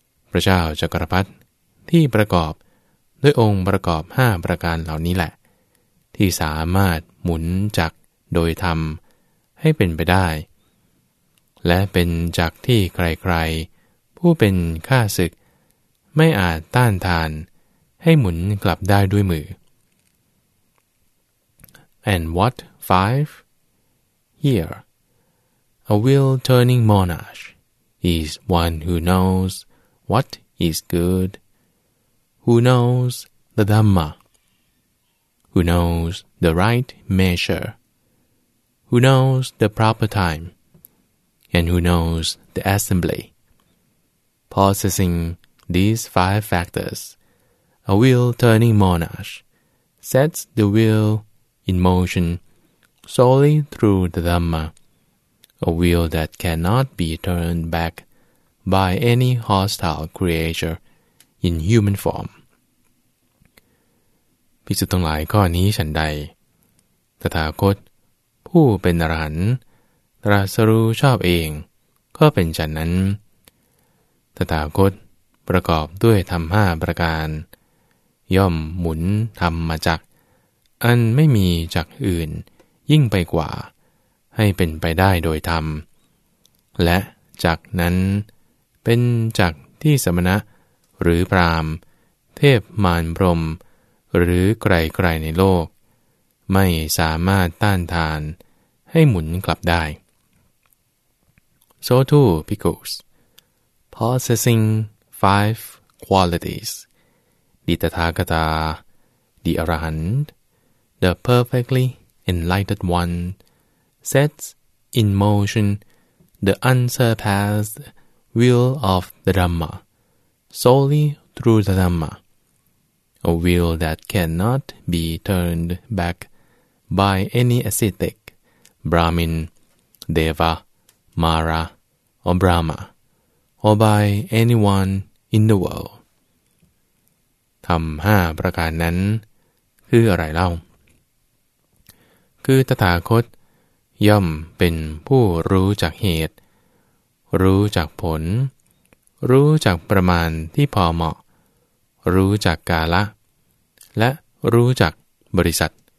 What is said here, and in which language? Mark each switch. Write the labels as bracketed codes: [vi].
[th] พระเจ้าจักรพรรดิที่ประกอบด้วยองค์ประกอบ5ประการเหล่านี้แหละที่สามารถหมุนจักโดยธรรมให้เป็นไปได้และเป็นจักที่ใครๆผู้เป็นข้าศึกไม่อาจต้านทานให้หมุนกลับได้ด้วยมือ [en] And what five? Here, a wheel-turning monarch is one who knows what is good, who knows the Dhamma, who knows the right measureWho knows the proper time, and who knows the assembly? Possessing these five factors, a wheel-turning monarch sets the wheel in motion solely through the Dhamma, a wheel that cannot be turned back by any hostile creature in human form. [th] ภิกษุทั้งหลายข้อนี้ฉันใดตถาคตผู้เป็นอรหันต์ตรัสรู้ชอบเองก็เป็นฉันนั้น ตถาคตประกอบด้วยธรรม5ประการย่อมหมุนธรรมจักรอันไม่มีจักรอื่นยิ่งไปกว่าให้เป็นไปได้โดยธรรมและจักรนั้นเป็นจักรที่สมณะหรือพราหมณ์เทพมารพรหมหรือใครๆในโลกไม่สามารถต้านทานให้หมุนกลับได้ [en] So too, Pickles, possessing 5 qualities, the Tathagata, the Arahant, the perfectly enlightened one, sets in motion the unsurpassed wheel of the Dhamma, solely through the Dhamma, a wheel that cannot be turned backby any ascetic, Brahmin, Deva, Mara, or Brahma, or by anyone in the world. [th] ธรรม5ประการนั้นคืออะไรเล่าคือตถาคตย่อมเป็นผู้รู้จักเหตุรู้จักผลรู้จักประมาณที่พอเหมาะรู้จักกาละและรู้จักบริษัท